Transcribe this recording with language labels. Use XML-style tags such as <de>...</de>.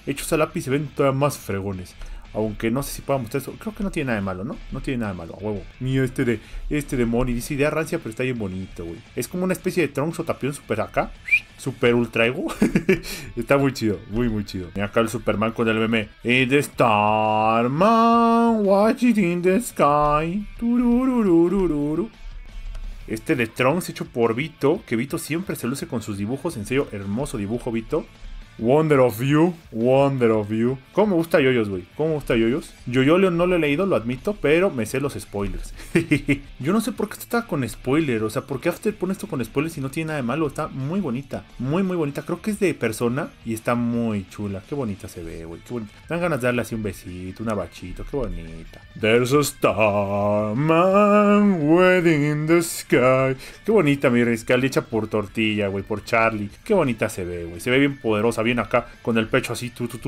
<es>Hechos a lápiz se ven todavía más fregones. Aunque no sé si podamos mostrar eso. Creo que no tiene nada de malo, ¿no? No tiene nada de malo, a huevo. Mío, este de Moni. Dice idea rancia, pero está bien bonito, güey. Es como una especie de Trunks o Tapión super acá. Super ultra ego. Está muy chido, muy, muy chido. Y acá el Superman con el meme.</es> <en>Y the Starman watching in the sky. Turururururururu.</en> <es>Este de Trunks hecho por Vito. Que Vito siempre se luce con sus dibujos. En serio, hermoso dibujo, Vito.</es> <en>Wonder of you, wonder of you.</en> <es>¿Cómo me gusta Yoyos, güey? ¿Cómo me gusta Yoyos? Yo Leon no lo he leído, lo admito, pero me sé los spoilers. Yo no sé por qué esto está con spoiler. O sea, ¿por qué After pone esto con spoilers si no tiene nada de malo? Está muy bonita, muy, muy bonita. Creo que es de persona y está muy chula. Qué bonita se ve, güey. Dan ganas de darle así un besito, un abachito. Qué bonita.</es> <en>There's a Starman waiting in the sky.</en> <es>Qué bonita, mi rescal, hecha por Tortilla, güey, por Charlie. Qué bonita se ve, güey. Se ve bien poderosa. Bien acá con el pecho así tu.</es>